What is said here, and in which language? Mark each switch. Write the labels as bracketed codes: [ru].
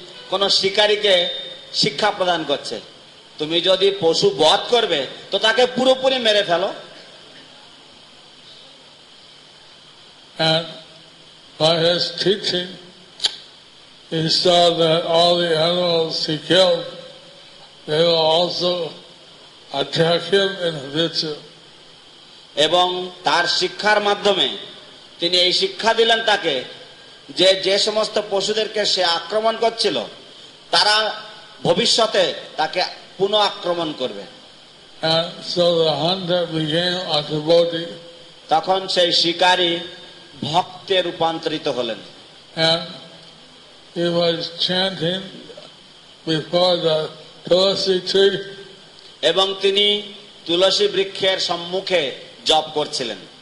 [bn] কোন শিকারীকে শিক্ষা প্রদান করছে, তুমি যদি পশু বধ করবে তো তাকে পুরোপুরি মেরে ফেলো। [en] And by his teaching, he saw that all the animals he killed, they will also attack him in the future. [bn] এবং তার শিক্ষার মাধ্যমে তিনি এই শিক্ষা দিলেন তাকে যে যে সমস্ত পশুদেরকে সে আক্রমণ করছিল তারা ভবিষ্যতে তাকে পুনঃ আক্রমণ করবে। [en] And so the hunter became a devotee. [bn] তখন সেই শিকারী ভক্তে রূপান্তরিত হলেন। [en] And he was chanting before the tulsi tree. [bn] এবং তিনি তুলসী বৃক্ষের সম্মুখে জপ করছিলেন,